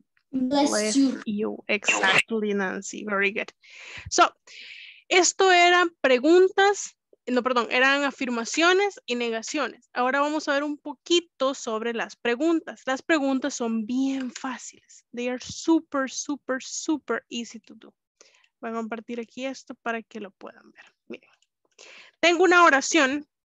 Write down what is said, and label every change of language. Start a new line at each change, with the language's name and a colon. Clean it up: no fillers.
English: Bless you. Exactly, Nancy. Very good.
Spanish: So, esto eran preguntas, no, perdón, eran afirmaciones y negaciones. Ahora vamos a ver un poquito sobre las preguntas. Las preguntas son bien fáciles.
English: They are super, super, super easy to do.
Spanish: Voy a compartir aquí esto para que lo puedan ver. Miren. Tengo una oración.